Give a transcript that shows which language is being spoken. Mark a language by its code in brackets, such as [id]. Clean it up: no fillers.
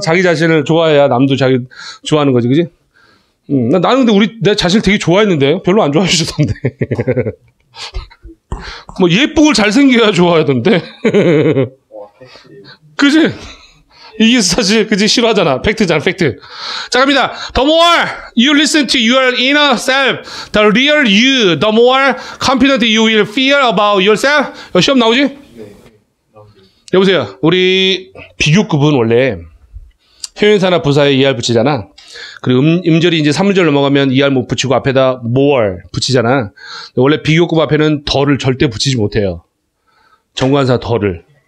[ko] 자기 자신을 좋아해야 남도 자기 좋아하는 거지. 그지? 나는 근데 내 자신을 되게 좋아했는데 별로 안 좋아해주던데. 뭐 예쁘고 잘생겨야 좋아하던데. 그지? 이게 사실 그지 싫어하잖아. 팩트잖아, 팩트. 자, 갑니다. [en] The more you listen to your inner self, the real you, the more confident you will feel about yourself. [ko] 여, 시험 나오지? 네. 여보세요. 우리 비교급은 원래 형용사나 부사에 ER 붙이잖아. 그리고 음절이 이제 3음절 넘어가면 ER 못 붙이고 앞에다 more 붙이잖아. 원래 비교급 앞에는 더를 절대 붙이지 못해요. 정관사 더를.